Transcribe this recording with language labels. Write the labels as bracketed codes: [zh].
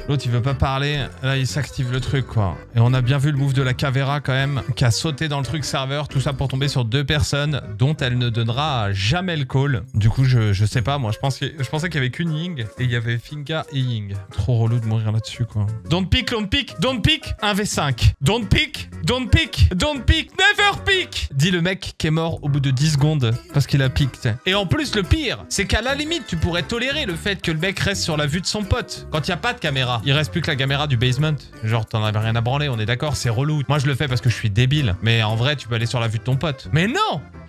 [fr] L'autre, il veut pas parler. Là, il s'active le truc, quoi. Et on a bien vu le move de la Cavera, quand même, qui a sauté dans le truc serveur. Tout ça pour tomber sur deux personnes dont elle ne donnera jamais le call. Du coup, je sais pas, moi. Je pensais qu'il y avait qu'une Ying et il y avait Finca et Ying. Trop relou de mourir là-dessus, quoi. [en] Don't pick, don't pick, don't pick. 1v5. Don't pick, don't pick, don't pick. Never pick! [fr] Dit le mec qui est mort au bout de 10 secondes parce qu'il a picked. Et en plus, le pire, c'est qu'à la limite, tu pourrais tolérer le fait que le mec reste sur la vue de son pote. Quand il n'y a pas de caméra, il reste plus que la caméra du basement. Genre, t'en avais rien à branler, on est d'accord, c'est relou. Moi, je le fais parce que je suis débile. Mais en vrai, tu peux aller sur la vue de ton pote. Mais non !